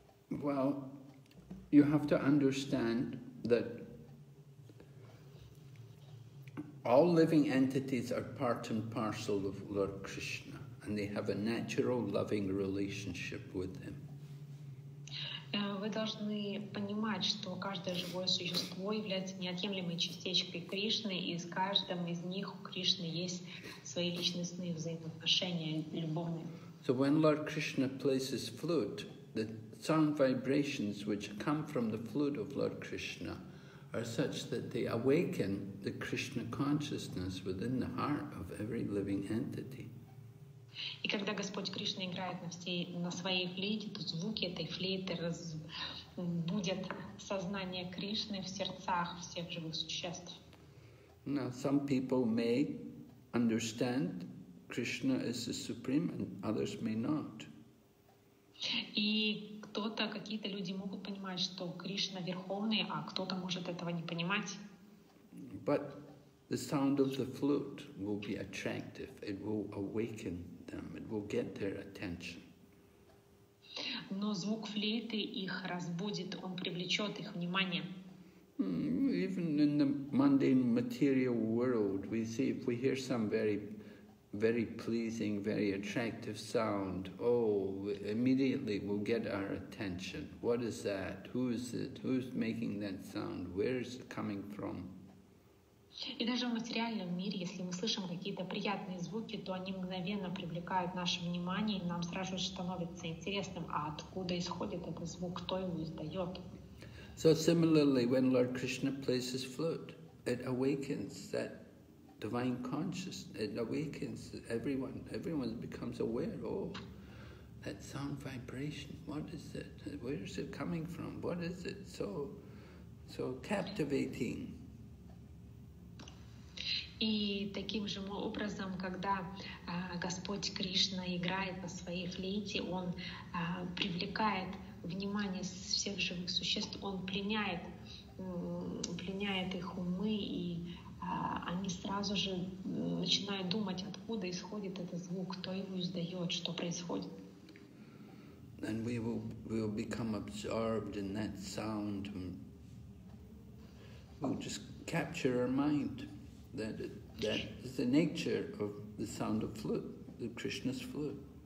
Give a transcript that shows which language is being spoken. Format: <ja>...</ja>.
<en>Well, you have to understand that all living entities are part and parcel of Lord Krishna, and they have a natural loving relationship with him.</en> <ru>Вы должны понимать, что каждое живое существо является неотъемлемой частичкой Кришны, и с каждым из них у Кришны есть свои личностные взаимоотношения, любовные.</ru> <en>So when Lord Krishna plays his flute, the sound vibrations which come from the flute of Lord Krishna are such that they awaken the Krishna consciousness within the heart of every living entity.</en> <ru>И когда Господь Кришна играет на своей флейте, то звуки этой флейты будят сознание Кришны в сердцах всех живых существ.</ru> <en>Now, some people may understand Krishna is the supreme, and others may not.</en> <ru>И кто-то, какие-то люди могут понимать, что Кришна верховный, а кто-то может этого не понимать.</ru> <en>But the sound of the flute will be attractive. It will awaken. It will get their attention.</en> <ru>Но звук флейты их разбудит, он привлечет их внимание.</ru> <en>Even in the mundane material world, we see if we hear some very, very pleasing, very attractive sound, immediately we'll get our attention. What is that? Who is it? Who's making that sound? Where is it coming from?</en> <ru>И даже в материальном мире, если мы слышим какие-то приятные звуки, то они мгновенно привлекают наше внимание, и нам сразу же становится интересным, а откуда исходит этот звук, кто его издает.</ru> <en>So similarly, when Lord Krishna plays his flute, it awakens that divine consciousness, it awakens everyone, everyone becomes aware, that sound vibration, what is it, where is it coming from, what is it, so captivating.</en> <ru>И таким же образом, когда Господь Кришна играет на своей флейте, он привлекает внимание всех живых существ, он пленяет их умы, и они сразу же начинают думать, откуда исходит этот звук, кто его издает, что происходит.</ru> <en>And we will become absorbed in that sound. We'll just capture our mind that is the nature of the sound of flute, the Krishna's flute.</en>